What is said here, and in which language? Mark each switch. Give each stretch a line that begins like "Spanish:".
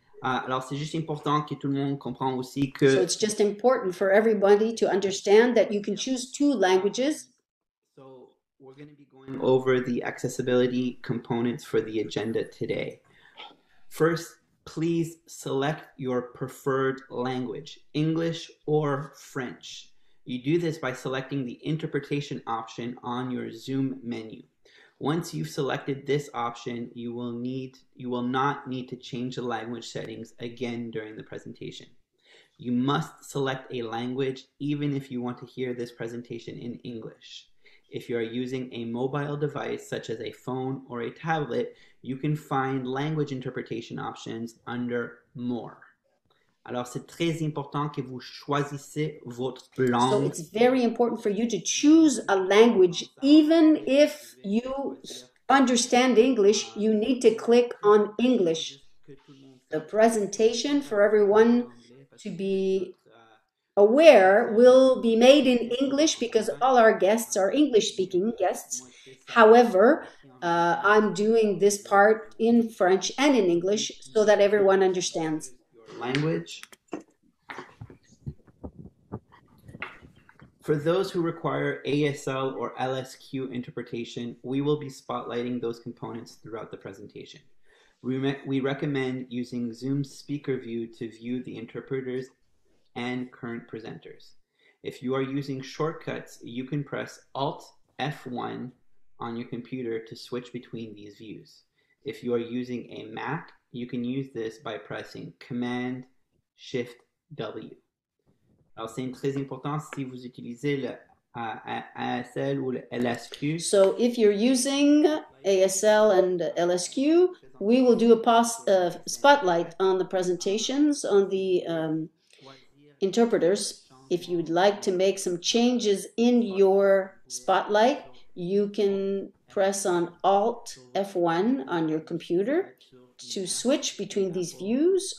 French: Alors c'est juste important que tout le monde comprenne aussi que...
English: So it's just important for everybody to understand that you can choose two languages. We're going to be going over the accessibility components for the agenda today. First, please select your preferred language, English or French. You do this by selecting the interpretation option on your Zoom menu. Once you've selected this option, you will not need to change the language settings again during the presentation. You must select a language even if you want to hear this presentation in English. If you are using a mobile device, such as a phone or a tablet, you can find language interpretation options under More.
French: Alors, c'est très important que vous choisissez votre langue.
English: So it's very important for you to choose a language. Even if you understand English, you need to click on English. The presentation for everyone to be aware will be made in English because all our guests are English-speaking guests. However, I'm doing this part in French and in English so that everyone understands. Your language. For those who require ASL or LSQ interpretation, we will be spotlighting those components throughout the presentation. We recommend using Zoom speaker view to view the interpreters and current presenters. If you are using shortcuts, you can press Alt F1 on your computer to switch between these views. If you are using a Mac, you can use this by pressing Command Shift W.
French: Alors, c'est très important si vous utilisez le ASL ou le LSQ.
English: So if you're using ASL and LSQ, we will do a spotlight on the presentations on the interpreters. If you would like to make some changes in your spotlight, you can press on Alt F1 on your computer to switch between these views.